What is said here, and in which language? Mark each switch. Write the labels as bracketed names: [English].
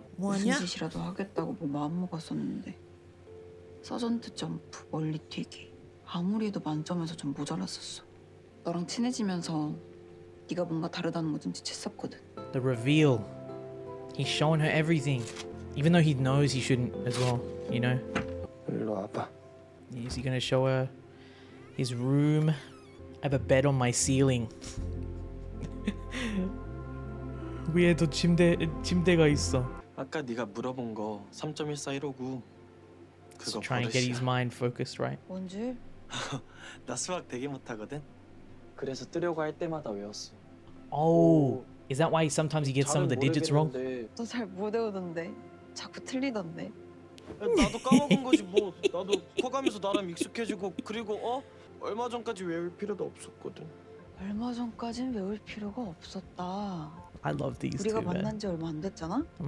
[Korean] 무슨 짓이라도 하겠다고 뭐 마음먹었었는데 서전트 점프, 멀리 튀기 아무리 해도 만점에서 좀 모자랐었어 너랑 친해지면서 네가 뭔가 다르다는 거 좀 지쳤었거든 [English] The reveal He's shown her everything Even though he knows he shouldn't as well, you know? [Korean] 일로 와봐 [English] Is he gonna show her his room? I have a bed on my ceiling [Korean] 위에도 침대가 있어 아까 네가 물어본 거 3.14159 [English] So trying to get his mind focused, right? [Korean] 뭔 줄? 나 수학 되게 못하거든. 그래서 뜨려고 할 때마다 외웠어. [English] Oh, is that why sometimes you get some of the digits wrong? [Korean] 너 잘 못 외우던데. 자꾸 틀리던데. 나도 까먹은 거지 뭐. 나도 커가면서 나름 익숙해지고 그리고 어? 얼마 전까지 외울 필요도 없었거든. 얼마 전까진 외울 필요가 없었다. [English] I love these two. [Korean] 우리가 만난 지 얼마 안 됐잖아?